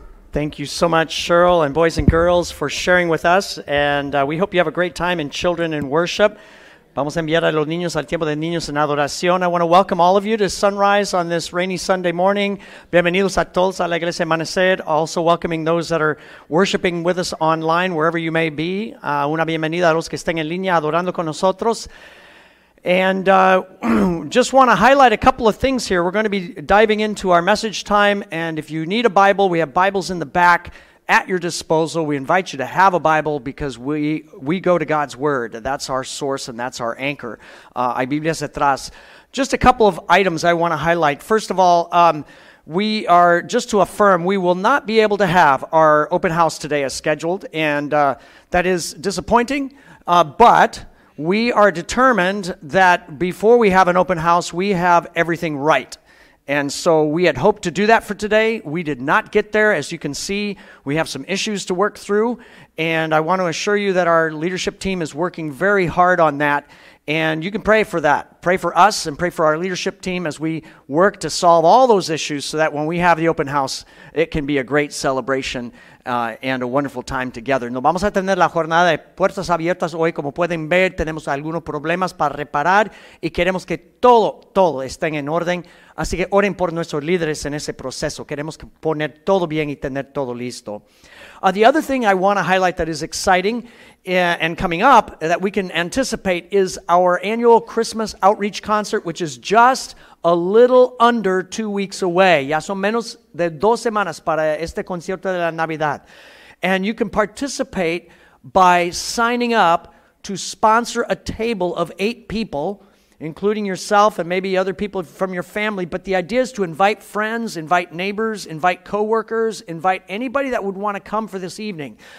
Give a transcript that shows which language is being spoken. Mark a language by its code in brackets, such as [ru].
[en] Thank you so much, Cheryl and boys and girls, for sharing with us. And we hope you have a great time in children and worship. [es] Vamos a enviar a los niños al tiempo de niños en adoración. [en] I want to welcome all of you to Sunrise on this rainy Sunday morning. [es] Bienvenidos a todos a la iglesia Amanecer. [en] Also welcoming those that are worshiping with us online, wherever you may be. [es] Una bienvenida a los que estén en línea adorando con nosotros. [en] And just want to highlight a couple of things here. We're going to be diving into our message time. And if you need a Bible, we have Bibles in the back at your disposal. We invite you to have a Bible because we go to God's Word. That's our source and that's our anchor. [es] Hay Biblias atrás. [en] Just a couple of items I want to highlight. First of all, we are, just to affirm, we will not be able to have our open house today as scheduled. And that is disappointing, but we are determined that before we have an open house, we have everything right. And so we had hoped to do that for today. We did not get there. As you can see, we have some issues to work through. And I want to assure you that our leadership team is working very hard on that. And you can pray for that. Pray for us and pray for our leadership team as we work to solve all those issues so that when we have the open house, it can be a great celebration and a wonderful time together. [es] Nos vamos a tener la jornada de puertas abiertas hoy. Como pueden ver, tenemos algunos problemas para reparar y queremos que todo esté en orden. Así que oren por nuestros líderes en ese proceso. Queremos poner todo bien y tener todo listo. [en] The other thing I want to highlight that is exciting and coming up that we can anticipate is our annual Christmas outreach concert, which is just a little under 2 weeks away. [es] Ya son menos de dos semanas para este concierto de la Navidad. [en] And you can participate by signing up to sponsor a table of 8 people, including yourself and maybe other people from your family. But the idea is to invite friends, invite neighbors, invite coworkers, invite anybody that would want to come for this evening.